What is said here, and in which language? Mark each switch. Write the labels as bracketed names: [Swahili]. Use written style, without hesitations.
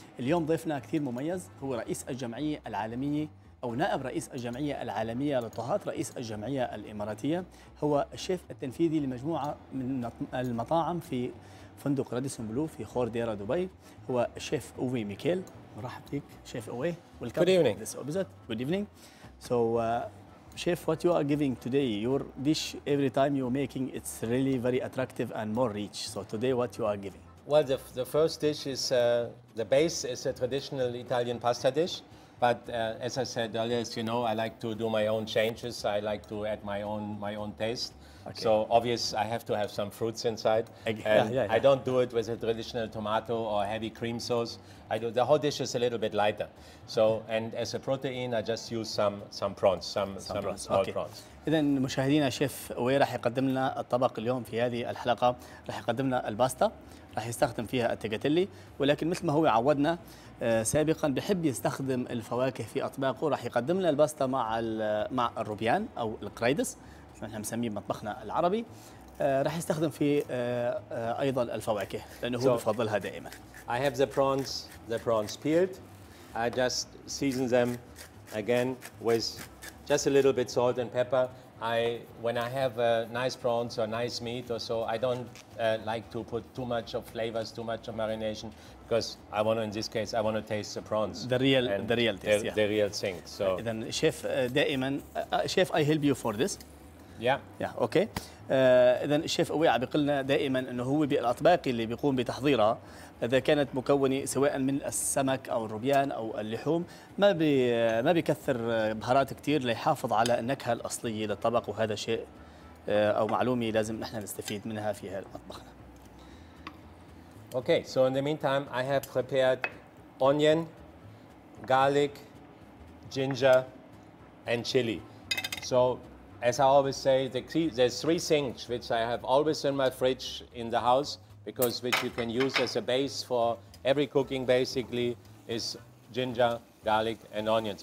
[Arabic] اليوم ضيفنا كثير مميز، هو رئيس الجمعية العالمية أو نائب رئيس الجمعية العالمية للطهاة، رئيس الجمعية الإماراتية. هو الشيف التنفيذي لمجموعة من المطاعم في فندق راديسون بلو في خور ديرا دبي، هو الشيف أوي ميكيل. مرحب فيك شيف أوي. [English] Good evening. Good evening. So, Chef, what you are giving today, your dish every time you're making, it's really very attractive and more rich. So today, what you are giving? Well, the first dish is, the base is a traditional Italian pasta dish. But as I said earlier, as you know, I like to do my own changes. I like to add my own taste. Okay. So obvious, I have to have some fruits inside. Yeah. I don't do it with a traditional tomato or heavy cream sauce. I do the whole dish is a little bit lighter. So and as a protein, I just use some prawns, some prawns. Small okay. prawns. [Arabic] إذن مشاهدينا، شيف أوي راح يقدم لنا الطبق اليوم في هذه الحلقة، راح يقدم لنا الباستا، راح يستخدم فيها التيكاتيلي، ولكن مثل ما هو عودنا سابقا بحب يستخدم الفواكه في أطباقه. راح يقدم لنا الباستا مع الروبيان أو القريدس، نحن نسميه مطبخنا العربي، راح يستخدم فيه ايضا الفواكه لانه هو بفضلها دائما. [English] I have the prawns peeled. I just season them again with just a little bit salt and pepper. When I have a nice prawns or nice meat or so, I don't like to put too much of flavors, too much of marination, because I want to, in this case, I want to taste the prawns. The real taste. The real thing. So. [Arabic] إذن شيف دائما شيف [English] I help you for this. Yeah. Okay. [Arabic] إذن شيف أوي عم بيقلنا دائما إنه هو بالأطباق اللي بيقوم بتحضيرها إذا كانت مكونة سواء من السمك أو الروبيان أو اللحوم ما بيكثر بهارات كتير ليحافظ على النكهة الأصلية للطبق، وهذا شيء أو معلومة لازم نحن نستفيد منها في هذا المطبخنا. [English] Okay. So in the meantime, I have prepared onion, garlic, ginger, and chili. So as I always say, there's three things which I have always in my fridge in the house, because which you can use as a base for every cooking basically, is ginger, garlic, and onions.